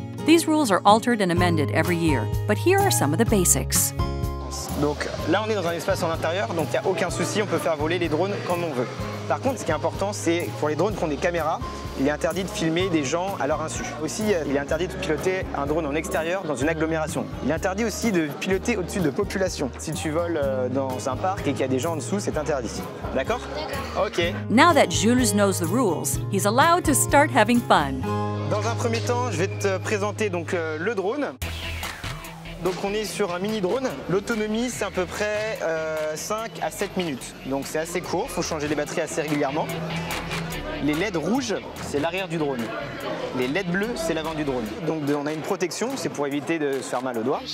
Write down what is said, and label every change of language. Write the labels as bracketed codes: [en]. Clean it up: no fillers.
[en] These rules are altered and amended every year, but here are some of the basics. [fr] Donc là, on est dans un espace en intérieur, donc il n'y a aucun souci, on peut faire voler les drones comme on veut. Par contre, ce qui est important, c'est pour les drones qui ont des caméras, il est interdit de filmer des gens à leur insu. Aussi, il est interdit de piloter un drone en extérieur dans une agglomération. Il est interdit aussi de piloter au-dessus de populations. Si tu voles dans un parc et qu'il y a des gens en dessous, c'est interdit. D'accord? D'accord. Ok. [en] Now that Jules knows the rules, he's allowed to start having fun. [fr] Dans un premier temps, je vais te présenter donc le drone. Donc on est sur un mini drone. L'autonomie c'est à peu près 5 à 7 minutes. Donc c'est assez court, il faut changer les batteries assez régulièrement. Les LED rouges, c'est l'arrière du drone. Les LED bleus, c'est l'avant du drone. Donc on a une protection, c'est pour éviter de se faire mal aux doigts.